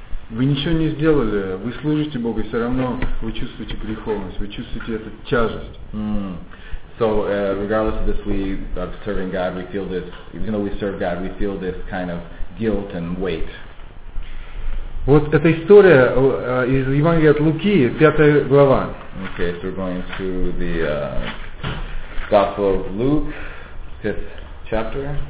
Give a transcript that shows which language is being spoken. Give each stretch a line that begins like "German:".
Russian: Вы ничего не сделали, вы служите Богу, все равно вы чувствуете греховность, вы чувствуете эту тяжесть. Mm.
English: So, regardless of this, we are serving God, we feel this, even though we serve God, we feel this kind of guilt and weight.
Russian: Вот эта история из Евангелия от Луки, 5 глава.
English: Okay, so we're going to the Gospel of Luke, 5th chapter.